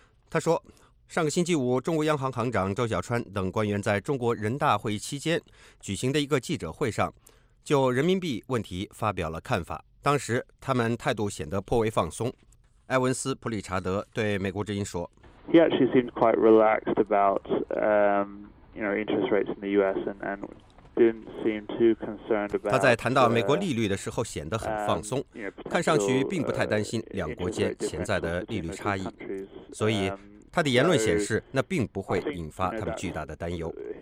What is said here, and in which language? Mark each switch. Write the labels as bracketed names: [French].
[Chinese] 他说，上个星期五，中国央行行长周小川等官员在中国人大会议期间举行的一个记者会上，就人民币问题发表了看法。当时他们态度显得颇为放松。埃文斯普里查德对美国之音说， [English] He actually seemed quite relaxed about, interest rates in the U.S. and didn't seem too concerned about. [Chinese] 他在谈到美国利率的时候显得很放松，看上去并不太担心两国间潜在的利率差异，所以他的言论显示那并不会引发他们巨大的担忧。